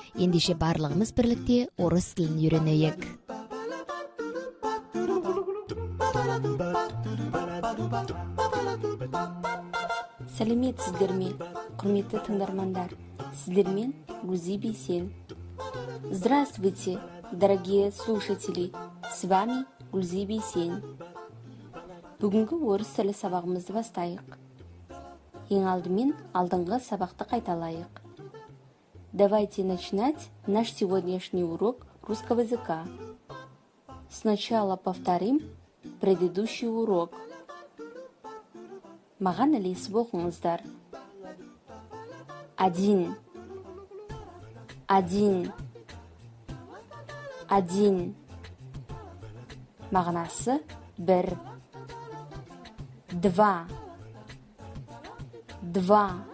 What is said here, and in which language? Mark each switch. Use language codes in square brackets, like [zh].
[kk] Ендеше, барлығымыз бірлікте орыс тілін үйренейік. Сәлеметсіздер ме, құрметті тыңдармандар, сіздермен Гузи Бейсен. [ru] Здравствуйте, дорогие слушатели, с вами Гузи Бейсен. [kk] Бүгінгі орыс тілі сабағымызды бастайық. Ең алдымен алдыңғы сабақты қайталайық. [ru] Давайте начинать наш сегодняшний урок русского языка. Сначала повторим предыдущий урок. [kk] Маған ілесіп оқыңыздар. [ru] Один. Один. Один. [kk] Мағынасы бір. [ru] Два. Два.